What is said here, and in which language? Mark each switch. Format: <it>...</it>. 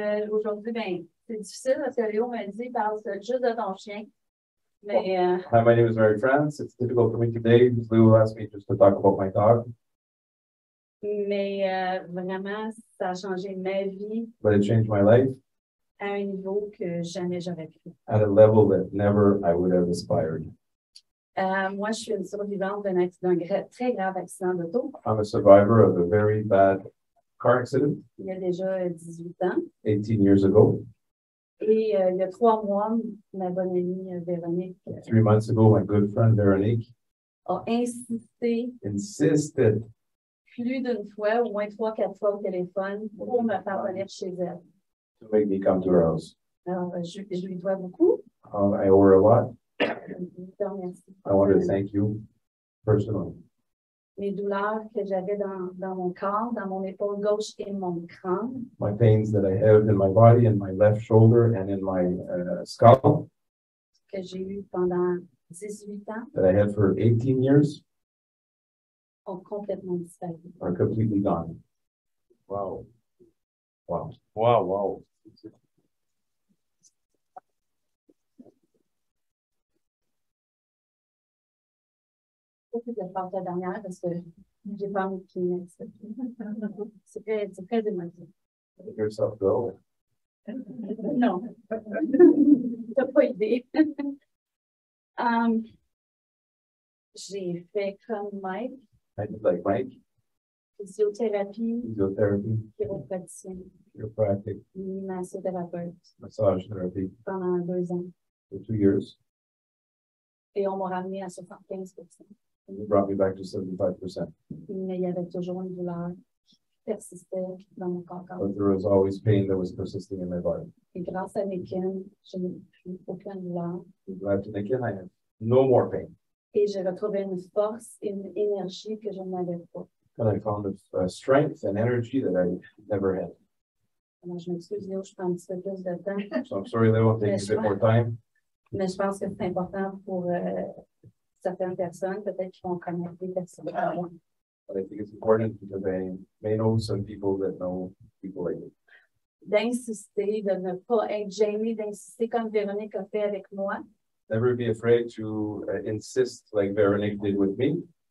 <fr>Aujourd'hui, ben, c'est difficile parce que Léo m'a dit qu'il parle juste de ton chien. Mais,</fr> <en>Hi, my name is Marie-France. It's difficult for me today. Léo asked me just to talk about my dog.</en> <fr>Mais vraiment, ça a changé ma vie.</fr> <en>But it changed my life.</en> <fr>À un niveau que jamais j'aurais pu.</fr> <en>At a level that never I would have aspired.</en> <fr>Moi, je suis une survivante d'un accident, d'un très grave accident d'auto.</fr> <en>I'm a survivor of a very bad car accident.</en> <fr>Il y a déjà 18 ans.</fr> <en>18 years ago.</en> <fr>Et il y a trois mois, ma bonne amie Véronique.</fr> <en>Three months ago, my good friend Véronique.</en> <fr>A insisté.</fr> <en>Insisted.</en> <fr>Plus d'une fois, au moins trois, quatre fois au téléphone pour me faire venir chez elle.</fr> <en>To make me come to her house.</en> <fr>Alors, je lui dois beaucoup.</fr> <en>I owe her a lot.</en> <fr>Merci.</fr> <en>I want to thank you personally.</en> <fr>Mes douleurs que j'avais dans mon corps, dans mon épaule gauche et mon crâne.</fr> <en>My pains that I have in my body, in my left shoulder and in my skull.</en> <fr>Que j'ai eu pendant 18 ans.</fr> <en>That I had for 18 years.</en> <fr>Ont complètement disparu.</fr> <en>Are completely gone. Wow. Wow. Wow, wow.</en> <fr>De faire la dernière parce que j'ai pas envie qu'il m'accepte. C'est très émotif.</fr> <en>Let yourself go.</en> <fr>Non. T'as pas idée. J'ai fait comme Mike.</fr> <en>I did like Mike.</en> <fr>Physiothérapie.</fr> <en>Physiotherapy.</en> <fr>Chiropraticien.</fr> <en>Chiropractic.</en> <fr>Massothérapeute.</fr> <en>Massage therapy.</en> <fr>Pendant deux ans.</fr> <en>For 2 years.</en> <fr>Et on m'a ramené à 75%.</fr> <en>And it brought me back to 75%.</en> <fr>Mais il y avait toujours une douleur qui persistait dans mon corps.</fr> <en>But there was always pain that was persisting in my body.</en> <fr>Et grâce à Nikin, je n'ai plus aucune douleur.</fr> <en>Glad to Nikin, I have no more pain.</en> <fr>Et j'ai retrouvé une force et une énergie que je n'avais pas.</fr> <en>And I found a strength and energy that I never had.</en> <fr>Alors, je m'excuse, Léo, je prends un petit peu plus de temps.</fr> <en>So I'm sorry, Léo, I'll take a bit more time.</en> <fr>Mais je pense que c'est important pour... certaines personnes, peut-être qu'ils vont connaître des personnes comme</fr> <en>moi. I think it's important because I may know some people that know people like me.</en> <fr>D'insister, de ne pas être gênée, d'insister comme Véronique a fait avec moi.</fr> <en>Never be afraid to insist like Véronique did with me.</en>